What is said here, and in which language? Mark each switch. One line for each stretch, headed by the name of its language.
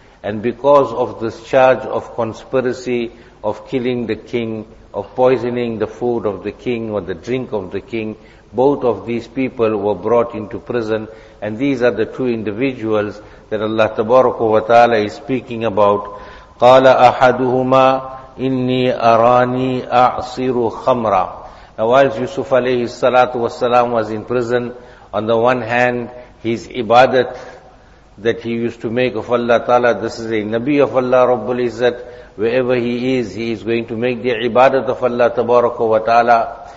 English: And because of this charge of conspiracy of killing the king, of poisoning the food of the king or the drink of the king, both of these people were brought into prison. And these are the two individuals that Allah Tabaraka wa Ta'ala is speaking about.
Arabic: قَالَ أَحَدُهُمَا إِنِّي أَرَانِي أَعْصِرُ خَمْرًا.
English: Now whilst Yusuf alayhi salatu wasalam was in prison, on the one hand, his ibadat that he used to make of Allah Ta'ala, this is a Nabi of Allah Rabbul Izzat, wherever he is going to make the ibadat of Allah Tabaraka wa Ta'ala.